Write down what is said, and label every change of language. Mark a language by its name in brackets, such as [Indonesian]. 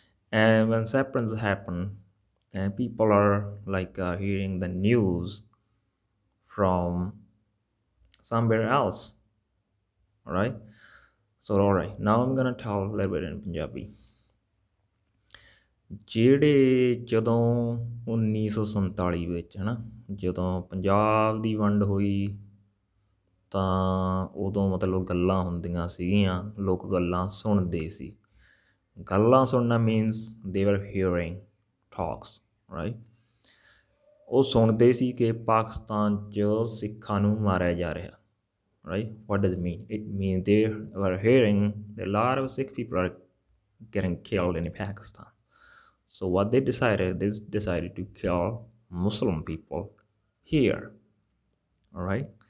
[English] And when separations happen and people are hearing the news from somewhere else, all right? So all right, now I'm gonna tell a little bit in Punjabi. [Punjabi] ਜਿਹੜੇ ਜਦੋਂ 1947 ਵਿੱਚ ਹੈ ਨਾ ਜਦੋਂ ਪੰਜਾਬ ਦੀ ਵੰਡ ਹੋਈ ਤਾਂ ਉਦੋਂ ਗੱਲਾਂ ਹੁੰਦੀਆਂ ਸੀਗੀਆਂ, ਲੋਕ ਗੱਲਾਂ ਸੁਣਦੇ ਸੀ. ਗੱਲਾਂ ਸੁਣਨਾ [English] Means they are hearing talks, right? [Punjabi] ਉਹ ਸੁਣਦੇ ਸੀ ਕਿ ਪਾਕਿਸਤਾਨ 'ਚ ਸਿੱਖਾਂ ਨੂੰ ਮਾਰਿਆ ਜਾ ਰਿਹਾ, right? [English] What does mean it mean they are hearing the lot of Sikh people are getting killed in Pakistan. So what they decided to kill Muslim people here, all right?